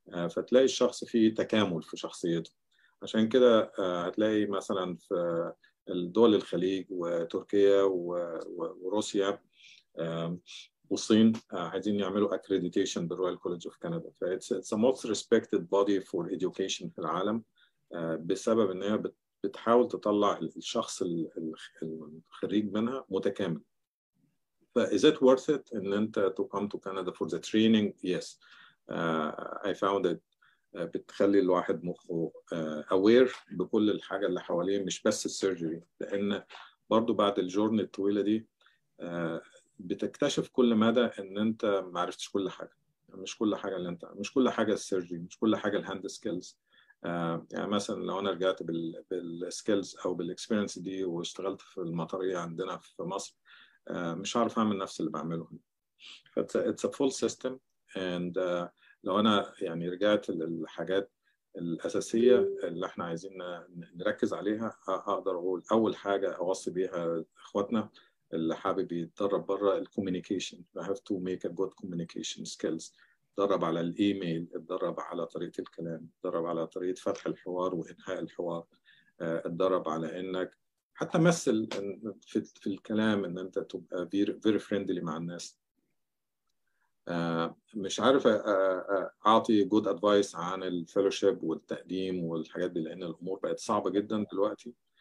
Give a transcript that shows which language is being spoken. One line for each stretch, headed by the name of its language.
Arabic: فتلاقي الشخص فيه تكامل في شخصيته. عشان كده هتلاقي مثلا في الدول الخليج وتركيا وروسيا والصين عايزين يعملوا accreditation بالرويال كوليدج اوف كندا.
English: It's a most respected body for education
Arabic: في العالم، بسبب ان هي بتحاول تطلع الشخص الخريج منها متكامل.
English: Is it worth it
Arabic: ان انت
English: to come to Canada for the training?
Arabic: Yes.
English: I found it
Arabic: بتخلي الواحد مخه أوير بكل الحاجة اللي حواليه، مش بس السيرجري، لأن برضو بعد الجورن الطويلة دي بتكتشف كل مدى أن أنت معرفتش كل حاجة، مش كل حاجة اللي أنت، مش كل حاجة السيرجري، مش كل حاجة الهاند سكيلز. يعني مثلا لو أنا رجعت بالسكيلز أو بالإكسبيرينس دي واشتغلت في المطرية عندنا في مصر، مش عارف أعمل نفس اللي بعمله.
English: It's a full system.
Arabic: And لو أنا يعني رجعت للحاجات الأساسية اللي احنا عايزين نركز عليها، أقدر أقول أول حاجة أوصي بيها إخواتنا اللي حابب يتدرب برا، الكوميونيكيشن.
English: I have to make a good communication skills.
Arabic: تدرب على الإيميل، تدرب على طريقة الكلام، تدرب على طريقة فتح الحوار وإنهاء الحوار، تدرب على إنك حتى مثل في الكلام، إن أنت تبقى
English: very friendly
Arabic: مع الناس. مش عارف أعطي
English: good advice
Arabic: عن الفيلوشيب والتقديم والحاجات دي، لأن الأمور بقت صعبة جدا دلوقتي.